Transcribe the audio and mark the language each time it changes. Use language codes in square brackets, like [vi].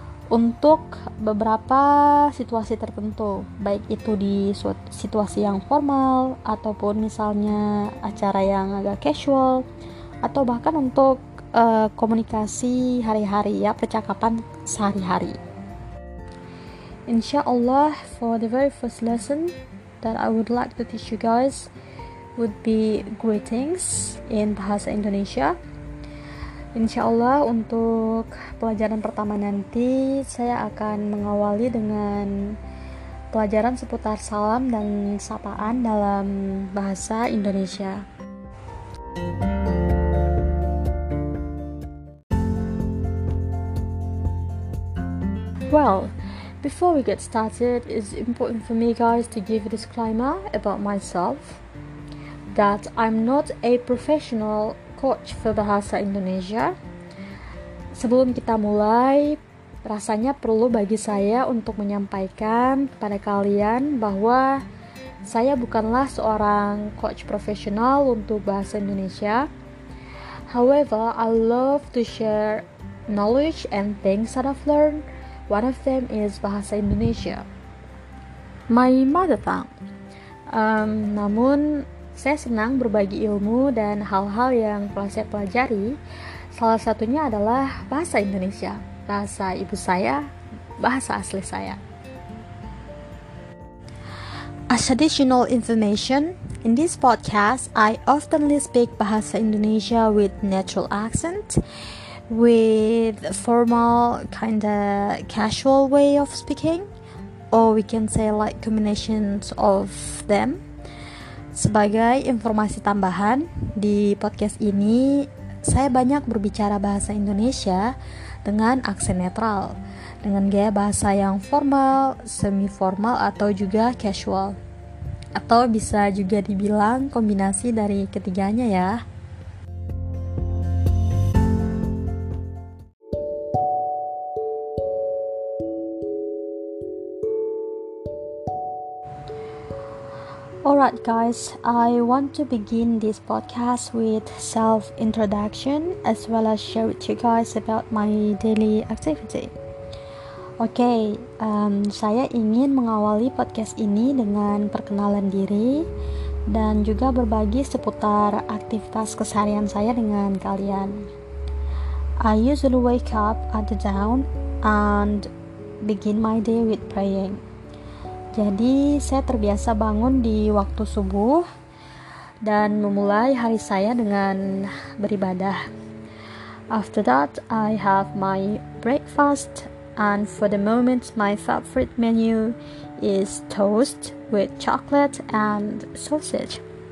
[id] Untuk beberapa situasi tertentu, baik itu di situasi yang formal ataupun misalnya acara yang agak casual, atau bahkan untuk komunikasi hari-hari ya, percakapan sehari-hari. [en] Insyaallah, for the very first lesson that I would like to teach you guys would be greetings in Bahasa Indonesia. [id] Insyaallah untuk pelajaran pertama nanti saya akan mengawali dengan pelajaran seputar salam dan sapaan dalam bahasa Indonesia. [en] Well, before we get started, it's important for me guys to give a disclaimer about myself that I'm not a professional coach for Bahasa Indonesia. [id] Sebelum kita mulai, rasanya perlu bagi saya untuk menyampaikan kepada kalian bahwa saya bukanlah seorang coach profesional untuk Bahasa Indonesia. [en] However, I love to share knowledge and things that I've learned. One of them is Bahasa Indonesia, my mother tongue. [id] Namun saya senang berbagi ilmu dan hal-hal yang telah saya pelajari. Salah satunya adalah bahasa Indonesia, bahasa ibu saya, bahasa asli saya. [en] As additional information, in this podcast, I oftenly speak bahasa Indonesia with natural accent, with formal, kinda casual way of speaking, or we can say like combinations of them. [id] Sebagai informasi tambahan, di podcast ini saya banyak berbicara bahasa Indonesia dengan aksen netral, dengan gaya bahasa yang formal, semi-formal, atau juga casual, atau bisa juga dibilang kombinasi dari ketiganya ya. [en] Alright guys, I want to begin this podcast with self-introduction as well as share with you guys about my daily activity. [id] Okay, saya ingin mengawali podcast ini dengan perkenalan diri dan juga berbagi seputar aktivitas keseharian saya dengan kalian. [en] I usually wake up at the dawn and begin my day with praying. [id] Jadi saya terbiasa bangun di waktu subuh dan memulai hari saya dengan beribadah. [en] After that, I have my breakfast, and for the moment, my favorite menu is toast with chocolate and sausage.